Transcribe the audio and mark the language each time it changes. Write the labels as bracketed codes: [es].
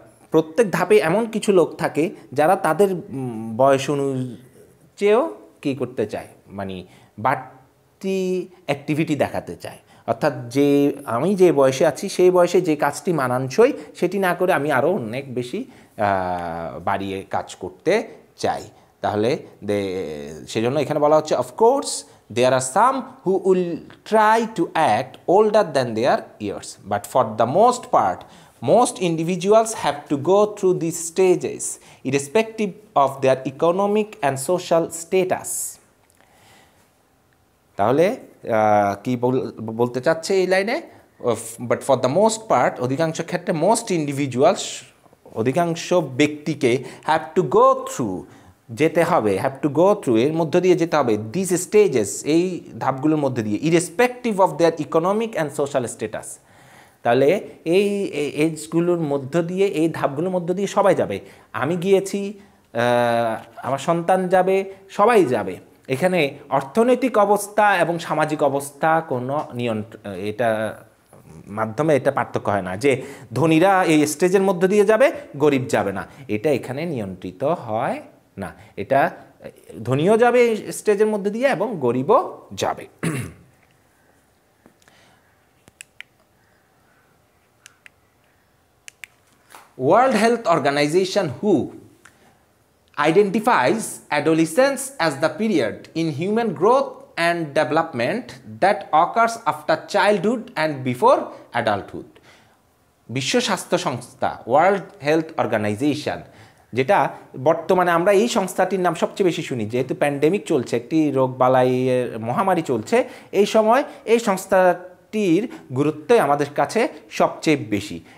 [bn] প্রত্যেক ধাপে এমন কিছু লোক থাকে যারা তাদের বয়স অনুযায়ীও কী করতে চায় মানে বাড়তি অ্যাক্টিভিটি দেখাতে চায় অর্থাৎ যে আমি যে বয়সে আছি সেই বয়সে যে কাজটি মানানসই সেটি না করে আমি আরও অনেক বেশি বাড়িয়ে কাজ করতে চাই তাহলে সেজন্য এখানে বলা হচ্ছে of course [en] There are some who will try to act older than their years. But for the most part, most individuals have to go through these stages irrespective of their economic and social status. [bn] তাহলে কি বলতে চাচ্ছে এই লাইনে [en] but for the most part [bn] অধিকাংশ ক্ষেত্রে [en] most individuals [bn] অধিকাংশ ব্যক্তিকে [en] have to go through [bn] যেতে হবে হ্যাভ টু গো থ্রু এর মধ্যে দিয়ে যেতে হবে [en] this stages [bn] এই ধাপগুলোর মধ্যে দিয়ে [en] irrespective of their economic and social status [bn] তাহলে এই এজগুলোর মধ্য দিয়ে এই ধাপগুলোর মধ্য দিয়ে সবাই যাবে আমি গিয়েছি আমার সন্তান যাবে সবাই যাবে এখানে অর্থনৈতিক অবস্থা এবং সামাজিক অবস্থা কোনো নিয়ন্ত্রণ এটা মাধ্যমে এটা পার্থক্য হয় না যে ধনীরা এই স্টেজের মধ্য দিয়ে যাবে গরিব যাবে না এটা এখানে নিয়ন্ত্রিত হয় না এটা ধনীও যাবে স্টেজের মধ্যে দিয়ে এবং গরিবও যাবে world health organisation who [en] identifies adolescence as the period in human growth and development that occurs after childhood and before adulthood. [bn] বিশ্ব স্বাস্থ্য সংস্থা, World Health Organization, যেটা বর্তমানে আমরা এই সংস্থাটির নাম সবচেয়ে বেশি শুনি, যেহেতু প্যান্ডেমিক চলছে, একটি রোগবালাইয়ের মহামারী চলছে, এই সময় এই সংস্থাটির গুরুত্ব আমাদের কাছে সবচেয়ে বেশি।